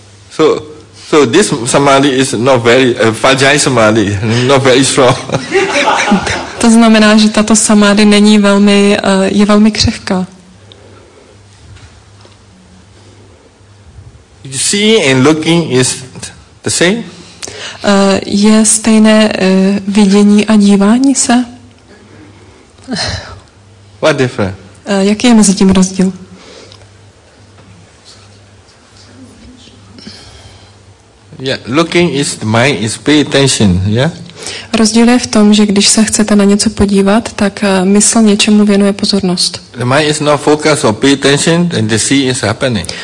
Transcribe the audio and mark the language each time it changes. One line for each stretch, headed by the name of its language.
English: So this samadhi is not very fragile samadhi, not very strong.
Czech: To znamená, že tato samády není velmi, je velmi křehká.
English: Seeing and looking is the same?
Czech: Je stejné vidění a dívání se?
English: What different?
Czech: Jaký je mezi tím rozdíl?
English: Yeah, looking is the mind is pay attention, yeah?
Czech: Rozdíl je v tom, že když se chcete na něco podívat, tak mysl něčemu věnuje pozornost.
English: The mind is not focused or pay attention, then the see is happening.